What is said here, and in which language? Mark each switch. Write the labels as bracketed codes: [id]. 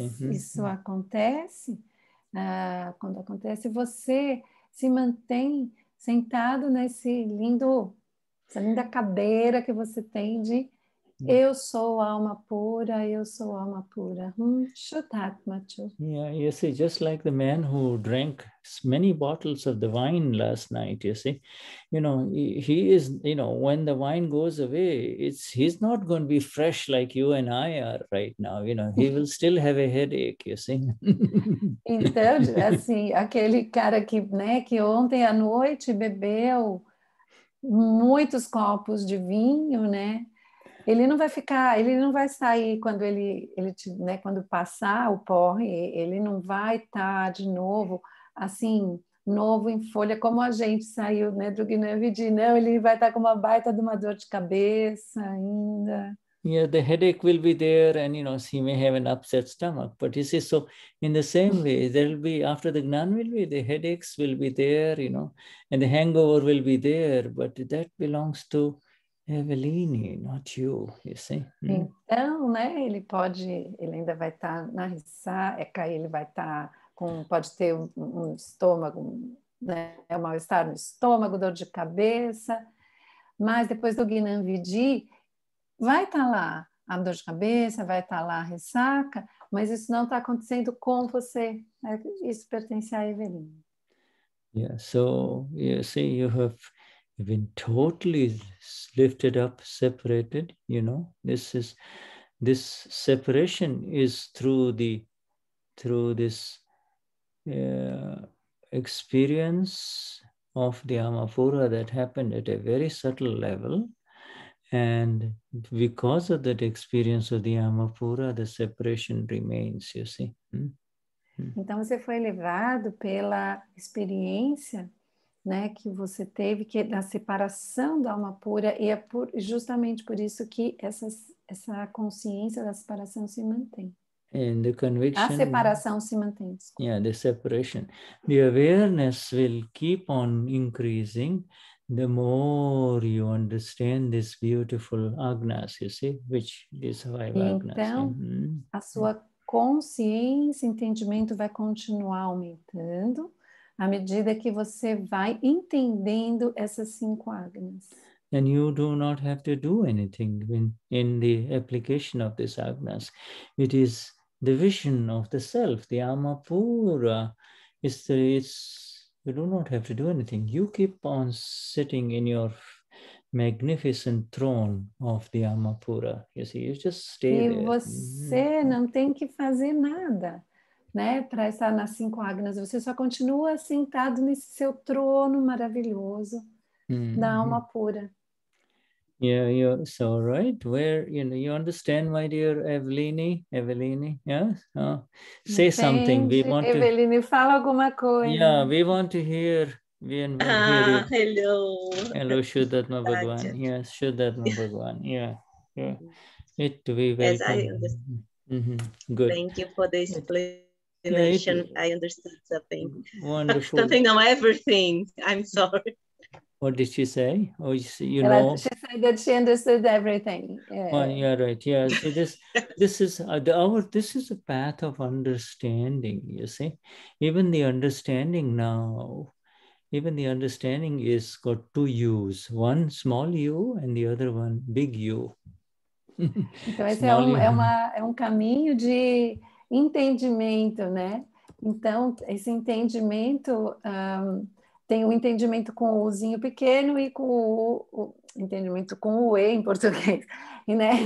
[pt] Isso acontece, quando acontece, você se mantém sentado nesse lindo, essa linda cadeira que você tem de Eu sou alma pura, eu sou alma pura. Vishuddhatma. [en] Yeah, you see, just like the man who drank many bottles of the wine last night, you see. You know, he is, you know, when the wine goes away, he's not going to be fresh like you and I are right now. You know, he will still have a headache, you see. [pt] Então, assim, aquele cara que, né, que ontem à noite bebeu muitos copos de vinho, né? Ele não vai sair quando ele, quando passar o porre, ele não vai estar de novo, assim, novo em folha, como a gente saiu, né, do Gnan Vidhi. Não, ele vai estar com uma baita de uma dor de cabeça ainda. [en] Yeah, the headache will be there and, you know, he may have an upset stomach. But you see, so in the same way, after the Gnan will be, the headaches will be there, you know, and the hangover will be there, but that belongs to Eveline, not you, you see? Mm. [pt] Então, né, ele pode, ele ainda vai estar na ressaca, ele vai estar com, pode ter um estômago, né, é um mal-estar no estômago, dor de cabeça, mas depois do Gnan Vidhi, vai estar lá a dor de cabeça, vai estar lá a ressaca, mas isso não está acontecendo com você, né? Isso pertence a Eveline. [en] Yeah, so, you see, you've been totally lifted up, separated, you know. This separation is through this experience of the Amapura that happened at a very subtle level. And because of that experience of the Amapura, the separation remains, you see. Hmm? Hmm. [pt] Então você foi levado pela experiência, né, que você teve, que é da separação da alma pura, e é justamente por isso que essa consciência da separação se mantém. [en] And the conviction, [pt] a separação se mantém. Desculpa. [en] Yeah, the separation. The awareness will keep on increasing the more you understand this beautiful agnas, you see, which is why agnas. [pt] Então, a sua consciência, entendimento vai continuar aumentando, À medida que você vai entendendo essas cinco agnas. [en] And you do not have to do anything in the application of these agnas. It is the vision of the self, the ama pura. You do not have to do anything. You keep on sitting in your magnificent throne of the ama pura. You see, you just stay there. [pt] E você não tem que fazer nada, né, para estar nas cinco agnas. Você só continua sentado nesse seu trono maravilhoso da alma pura. [en] Yeah, you're so right. Where, you know, you understand, my dear Eveline, yeah? Oh, say [pt] Entendi. [en] Something. We want to. [pt] Eveline, fala alguma coisa. [en] Yeah, we want to hear. Hello. Hello, Vishuddhatma Bhagwan. Yes, Vishuddhatma Bhagwan. Yeah. It to be very good. Yes, I understand. Mm-hmm. Good. Thank you for the explanation. I understood something. Wonderful. Something, not everything. I'm sorry. What did she say? Oh, you [pt] Ela, [en] know. She said that she understood everything. Yeah. Well, yeah, right. Yeah. So this is a path of understanding. You see, even the understanding is got two U's. One small U and the other one big U. [pt] Então esse small é um caminho de entendimento, né? Então esse entendimento. Tem o entendimento com o Uzinho pequeno e com o entendimento com o E em português, né?